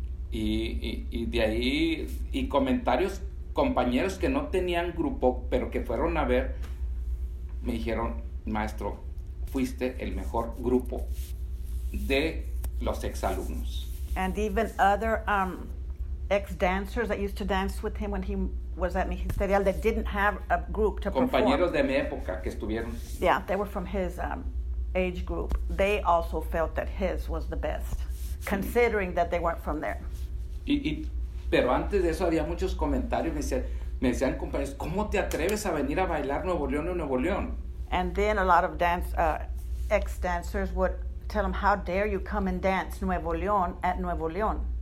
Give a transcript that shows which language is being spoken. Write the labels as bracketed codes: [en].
[es] Y de ahí, y comentarios, compañeros que no tenían grupo, pero que fueron a ver, me dijeron, maestro, fuiste el mejor grupo de los exalumnos. [en] And even other ex-dancers that used to dance with him when he was at Magisterial that didn't have a group to [es] compañeros [en] perform. [es] De mi época que estuvieron. [en] Yeah, they were from his age group. They also felt that his was the best, considering that they weren't from there. [es] Y pero antes de eso había muchos comentarios, me decían compañeros, ¿cómo te atreves a venir a bailar Nuevo León en Nuevo León? [en] And then a lot of ex-dancers would tell them, how dare you come and dance Nuevo León at Nuevo León?